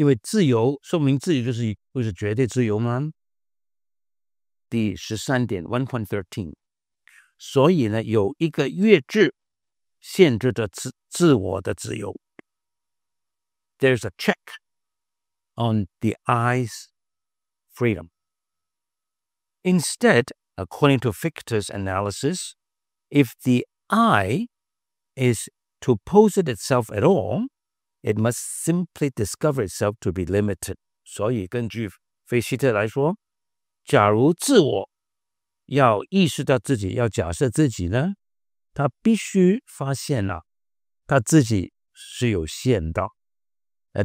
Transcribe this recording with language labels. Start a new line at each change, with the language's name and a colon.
Chinese: 唯有圣经的三一真神才能够到。好，我们现在目前看到呢，这个自我呢是有限的，它一方面活在时空世界，一方面它要面对一些必然的道德的准则是在它外面的。所以呢，自由是有限的，但是它是不甘愿的，因为自由说明自己就是绝对自由吗？第13.1.13，所以呢，有一个越制限制着自我的自由。
English: There's a check on the I's freedom. Instead, according to Fichte's analysis, if the I is to pose it itself at all, it must simply discover itself to be limited.
Chinese: 所以根据菲希特来说， 假如自我要意识到自己，要假设自己呢，他必须发现了他自己是有限的。A